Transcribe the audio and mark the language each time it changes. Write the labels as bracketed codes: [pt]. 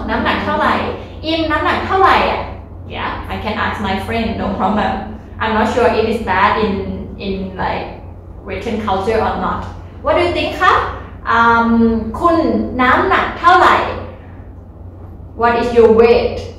[th] น้ำหนักเท่าไหร่ [en] If [th] น้ำหนักเท่าไหร่ [en] Yeah, I can ask my friend, no problem. I'm not sure if it's bad in like written culture or not. What do you think, [th] ครับ คุณน้ำหนักเท่าไหร่ [en] What is your weight?